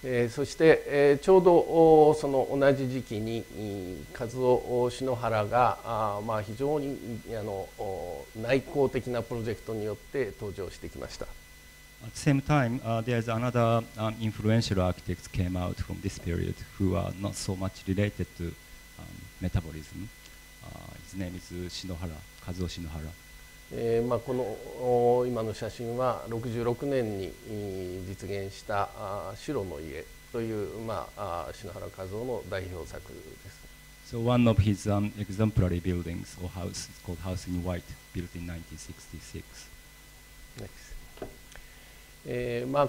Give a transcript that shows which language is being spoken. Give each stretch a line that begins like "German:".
Japanese: そして、ちょうどその同じ時期に和夫篠原が、まあ、非常に内向的なプロジェクトによって登場してきました。
English: At the same time, there's another influential architects came out from this period who are not so much related to metabolism. His name is Shinohara, Kazuo Shinohara.
Japanese: この今の写真は66年に実現した白の家という篠原和夫の代表作です。
English: So one of his exemplary buildings or house is called House in White, built in 1966.